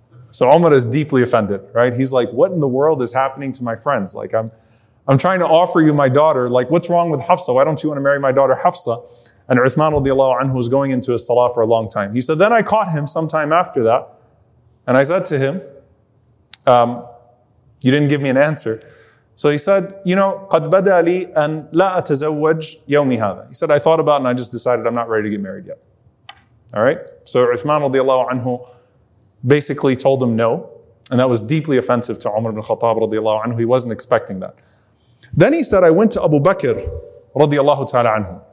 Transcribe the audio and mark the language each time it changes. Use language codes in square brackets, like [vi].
[en] So Umar is deeply offended, right? He's like, what in the world is happening to my friends? Like I'm trying to offer you my daughter. Like, what's wrong with Hafsa? Why don't you want to marry my daughter Hafsa? And Uthman radiallahu anhu was going into his salah for a long time. He said, then I caught him sometime after that. And I said to him, you didn't give me an answer. So he said, you know, [ar] قَدْ بَدَى لِي أَنْ لَا أَتَزَوَّجْ يَوْمِ هَذَا. [en] He said, I thought about it and I just decided I'm not ready to get married yet. All right? So Uthman radiallahu anhu basically told him no. And that was deeply offensive to Umar ibn Khattab radiallahu anhu. He wasn't expecting that. Then he said, I went to Abu Bakr radiallahu ta'ala anhu.